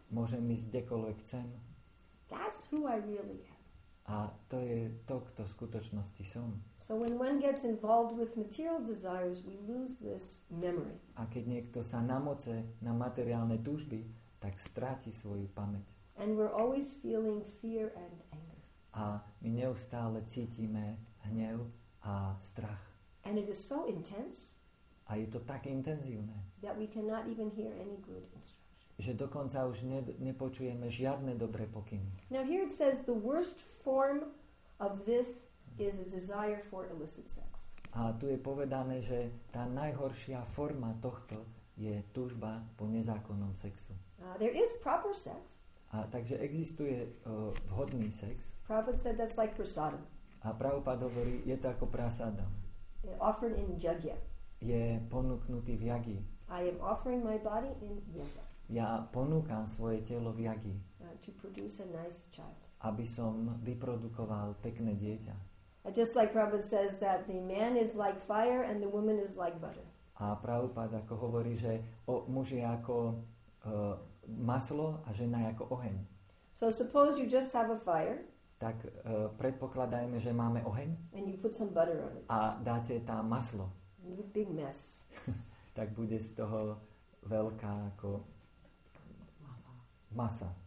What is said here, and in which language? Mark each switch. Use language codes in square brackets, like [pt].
[sk] Môžem ísť kdekoľvek chcem. [en] That's who I really am. [sk] A to je to, kto v skutočnosti som. [en] So when one gets involved with material desires, we lose this memory. [sk] A keď niekto sa namoce na materiálne túžby, tak stráti svoju pamäť. [en] And we're always feeling fear and anger. [sk] A my neustále cítime hnev a strach. [en] And it is so intense. [sk] A je to tak intenzívne. [en] That we cannot even hear any good instruction. [sk] Že dokonca už nepočujeme žiadne dobré pokyny. [en] Now here it says the worst form of this is a desire for illicit sex. [sk] A tu je povedané, že tá najhoršia forma tohto je túžba po nezákonnom sexu. [en] There is proper sex. [sk] Takže existuje vhodný sex. [en] Prabhupada said that's like prasadam. [sk] A Prabhupada hovorí, je to ako prasada. [en] Offered in yagya. [sk] Je ponúknutý v yagi. [en] I am offering my body in yagya. [sk] Ja ponúkam svoje telo v yagi. [en] To produce a nice child. [sk] Aby som vyprodukoval pekné dieťa. [en] Just like Prabhupada says that the man is like fire and the woman is like butter. [sk] A Prabhupada ako hovorí, že muž je ako maslo a žena je ako oheň. [en] So suppose you just have a fire. [sk] Tak predpokladajme, že máme oheň. [en] And you put some butter on it. [sk] A dáte tam maslo. [en] Big mess. [sk] Tak bude z toho veľká ako masa.